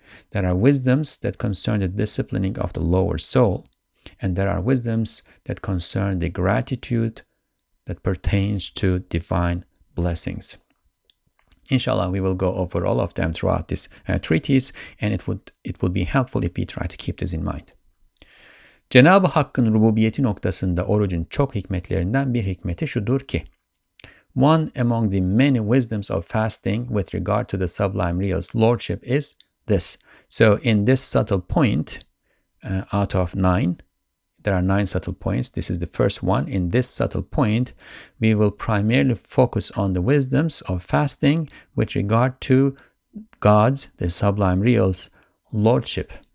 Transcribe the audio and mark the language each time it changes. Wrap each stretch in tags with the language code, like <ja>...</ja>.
<en>There are wisdoms that concern the disciplining of the lower soul. And there are wisdoms that concern the gratitude that pertains to divine blessings. Inshallah, we will go over all of them throughout this treatise, and it would be helpful if we try to keep this in mind.</en> <tr>Cenab-ı Hakk'ın rububiyeti noktasında orucun çok hikmetlerinden bir hikmeti şudur ki,</tr> <en>one among the many wisdoms of fasting with regard to the sublime real's lordship is this. So in this subtle point, out of 9, there are 9 subtle points. This is the first one. In this subtle point, we will primarily focus on the wisdoms of fasting with regard to God's, the sublime real's, lordship.</en>